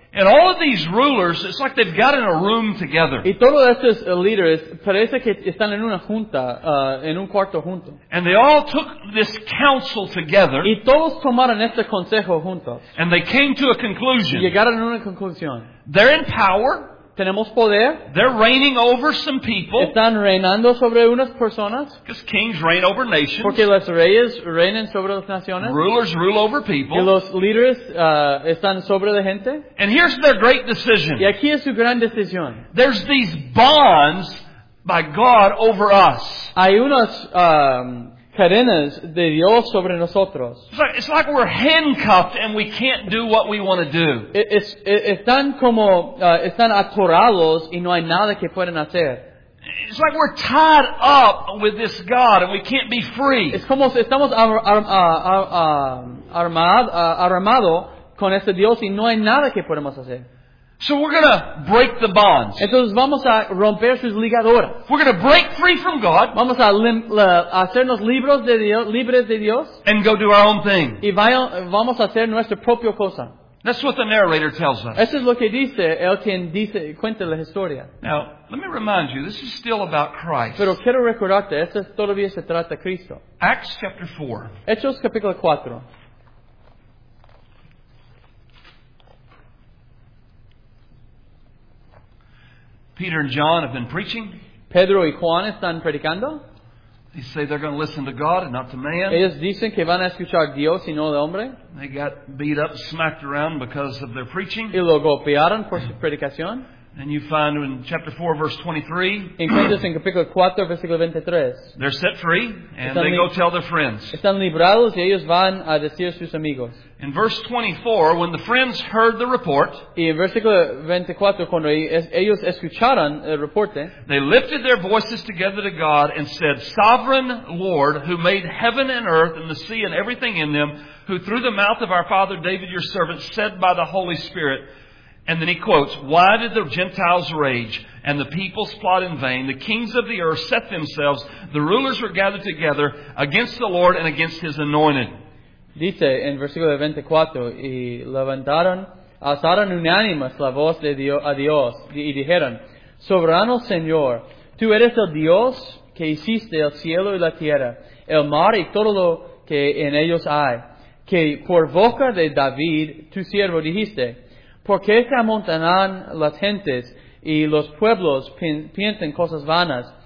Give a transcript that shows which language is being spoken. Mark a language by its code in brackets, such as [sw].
[en] And all of these rulers, it's like they've got in a room together. [es] Y todos estos líderes parece que están en una junta, en un cuarto junto. [en] And they all took this council together. [es] Y todos tomaron este consejo juntos. [en] And they came to a conclusion. [es] Llegaron a una conclusión. [en] They're in power. [es] Tenemos poder. [en] They're reigning over some people. [es] Están reinando sobre unas personas. [en] Because kings reign over nations. [es] Porque los reyes reinan sobre las naciones. [en] Rulers rule over people. [es] Y los líderes están sobre la gente. [en] And here's their great decision. [es] Y aquí es su gran decisión. [en] There's these bonds by God over us. [es] Hay unas cadenas de Dios sobre nosotros. [en] It's like we're handcuffed and we can't do what we want to do. [es] Están como están atorados y no hay nada que pueden hacer. [en] It's like we're tied up with this God and we can't be free. [es] Es como estamos armado con este Dios y no hay nada que podemos hacer. [en] So we're going to break the bonds. [es] Entonces vamos a romper sus ligaduras. [en] We're going to break free from God. [es] Vamos a hacernos libres de Dios. [en] And go do our own thing. [es] Y vamos a hacer nuestra propia cosa. [en] That's what the narrator tells us. [es] Eso es lo que dice el quien dice, cuenta la historia. [en] Now, let me remind you, this is still about Christ. [es] Pero quiero recordarte, esto todavía se trata de Cristo. [en] Acts chapter 4. [es] Hechos capítulo 4. [en] Peter and John have been preaching. [es] Pedro y Juan están predicando. [en] They say they're going to listen to God and not to man. [es] Ellos dicen que van a escuchar a Dios y no al hombre. [en] They got beat up, smacked around because of their preaching. [es] Y lo golpearon por su predicación. [en] And you find in chapter 4, verse 23, [es] encuentras en capítulo 4, versículo 23, [en] they're set free, and they go tell their friends. [es] Están librados y ellos van a decir sus amigos. [en] In verse 24, when the friends heard the report, [es] y en versículo 24, cuando ellos escucharon el reporte, [en] they lifted their voices together to God and said, Sovereign Lord, who made heaven and earth and the sea and everything in them, who through the mouth of our father David your servant said by the Holy Spirit, and then he quotes, Why did the Gentiles rage and the peoples plot in vain? The kings of the earth set themselves, the rulers were gathered together against the Lord and against his anointed. [es] Dice en versículo 24, y levantaron, alzaron unánimas la voz de Dios, a Dios, y dijeron, Soberano Señor, tú eres el Dios que hiciste el cielo y la tierra, el mar y todo lo que en ellos hay, que por boca de David, tu siervo, dijiste, ¿Por qué se amontonan las gentes y los pueblos piensan cosas vanas?